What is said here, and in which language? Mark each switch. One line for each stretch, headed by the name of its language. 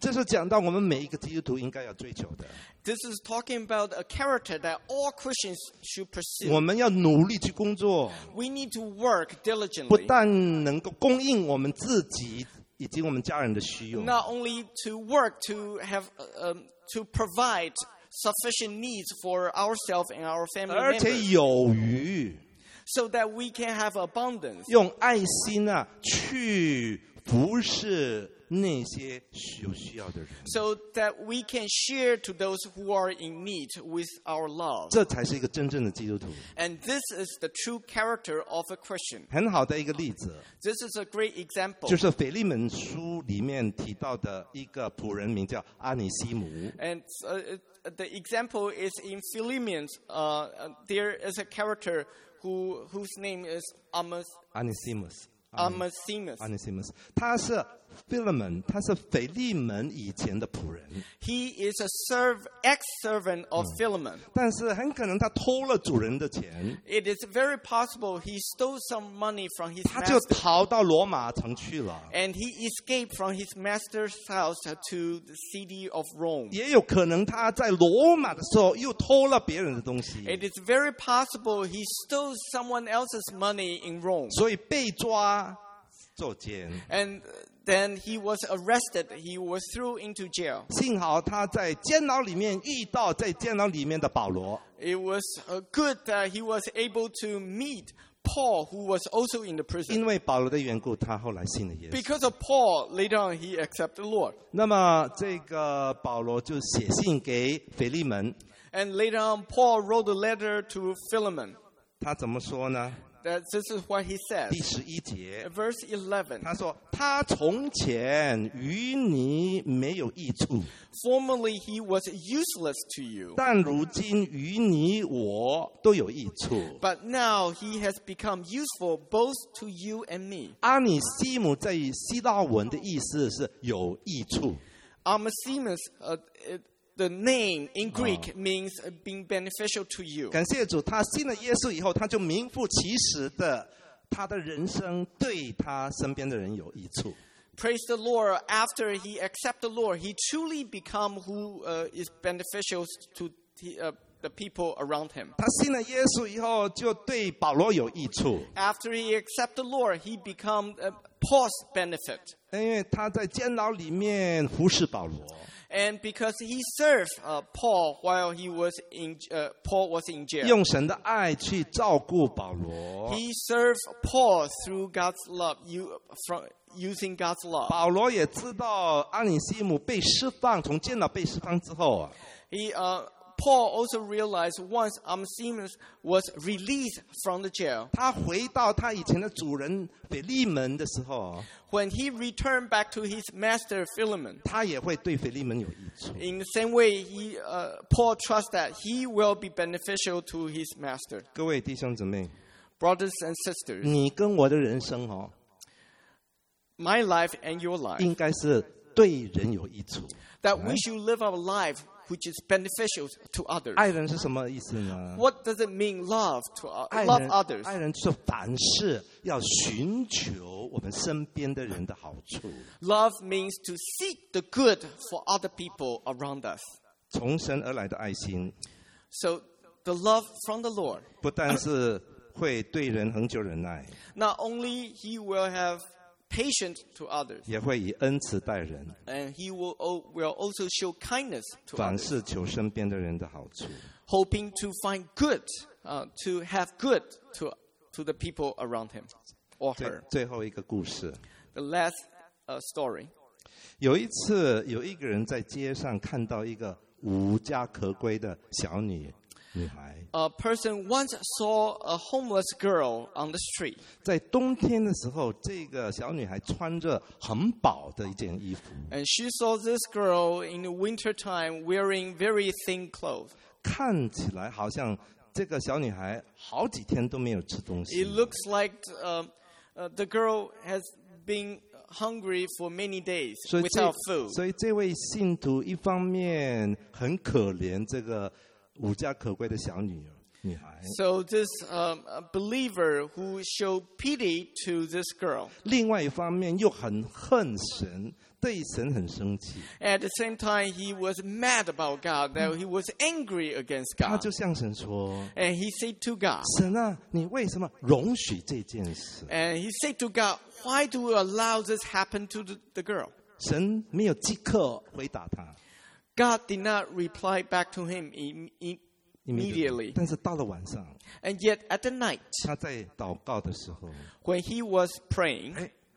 Chinese: 这是讲到我们每一个基督徒应该要追求的。
English: This is talking about a character that all Christians should pursue.
Chinese: 我们要努力去工作。
English: We need to work diligently.
Chinese: 不但能够供应我们自己以及我们家人的需要。
English: Not only to work to have, to provide sufficient needs for ourselves and our family members.
Chinese: 而且有余。
English: So that we can have abundance.
Chinese: 用爱心啊去服侍。那些有需要的人
English: so that we can share to those who are in need with our love
Chinese: 这才是一个真正的基督徒
English: and this is the true character of a Christian
Chinese: 很好的一个例子
English: this is a great example
Chinese: 就是腓利门书里面提到的一个仆人名叫阿尼西姆
English: and the example is in Philemon there is a character whose name is Onesimus Onesimus
Chinese: Onesimus 他是Philemon, 他是腓利门以前的仆人。
English: He is a ex-servant of Philemon.
Chinese: 但是很可能他偷了主人的钱。
English: It is very possible he stole some money from his master.
Chinese: 他就逃到罗马城去了。
English: And he escaped from his master's house to the city of Rome.
Chinese: 也有可能他在罗马的时候又偷了别人的东西。
English: It is very possible he stole someone else's money in Rome.
Chinese: 所以被抓坐监。
English: Then he was arrested. He was thrown into jail.
Chinese: 幸好他在监牢里面遇到在监牢里面的保罗。
English: It was good that he was able to meet Paul, who was also in the prison.
Chinese: 因为保罗的缘故，他后来信了耶稣。
English: Because of Paul, later on he accepted the Lord.
Chinese: 那么这个保罗就写信给腓利门。
English: And later on, Paul wrote a letter to Philemon.
Chinese: 他怎么说呢？
English: That this is what he says.
Chinese: 第十一节
English: Verse 11.
Chinese: 他说他从前与你没有益处
English: Formerly he was useless to you.
Chinese: 但如今与你我都有益处
English: But now he has become useful both to you and me.
Chinese: 阿尼西姆在希腊文的意思是有益处
English: Onesimus, the name in Greek means being beneficial to you.
Chinese: 感谢主，他信了耶稣以后，他就名副其实的，他的人生对他身边的人有益处。
English: Praise the Lord, after he accepted the Lord, he truly become who is beneficial to the people around him.
Chinese: 他信了耶稣以后，就对保罗有益处。
English: After he accepted the Lord, he become Paul's benefit.
Chinese: 因为他在监牢里面服侍保罗。
English: And because he served Paul while he was in Paul was in jail.
Chinese: 用神的爱去照顾保罗。
English: He served Paul through God's love. Using God's love.
Chinese: 保罗也知道阿尼西姆被释放，从监牢被释放之后啊。
English: Paul also realized once Onesimus was released from the jail.
Chinese: 他回到他以前的主人腓利门的时候。
English: When he returned back to his master Philemon,
Chinese: 他也会对腓利门有益处。
English: In the same way, Paul trusts that he will be beneficial to his master.
Chinese: 各位弟兄姊妹
English: brothers and sisters,
Chinese: 你跟我的人生哦
English: my life and your life,
Chinese: 应该是对人有益处。
English: That we should live our life. Which is beneficial to others.
Chinese: 爱人是什么意思呢
English: ？What does it mean, love to love others?
Chinese: 爱人是凡事要寻求我们身边的人的好处。
English: Love means to seek the good for other people around us.
Chinese: 从神而来的爱心。
English: So the love from the Lord.
Chinese: 不但是会对人恒久忍耐。
English: Not only he will have. Patient to others.
Chinese: 也会以恩慈待人。
English: And he will also show kindness to others.
Chinese: 凡事求身边的人的好处。
English: Hoping to find good, to have good to the people around him or her.
Chinese: 最后一个故事。
English: The last story.
Chinese: 有一次，有一个人在街上看到一个无家可归的小女孩。
English: A person once saw a homeless girl on the street.
Chinese: 在冬天的时候，这个小女孩穿着很薄的一件衣服。
English: And she saw this girl in the winter time wearing very thin clothes.
Chinese: 看起来好像这个小女孩好几天都没有吃东西。
English: It looks like the girl has been hungry for many days without food.
Chinese: 所以这位信徒一方面很可怜这个。无家可归的小女孩。
English: So this believer who showed pity to this girl.
Chinese: 另外一方面又很恨神，对神很生气。
English: At the same time, he was mad about God. That he was angry against God.
Chinese: 他就向神说。
English: And he said to God.
Chinese: 神啊，你为什么容许这件事
English: ？And he said to God, Why do you allow this happen to the girl?
Chinese: 神没有即刻回答他。
English: God did not reply back to him immediately.
Chinese: 但是到了晚上
English: And yet at the night,
Chinese: 他在祷告的时候
English: when he was praying,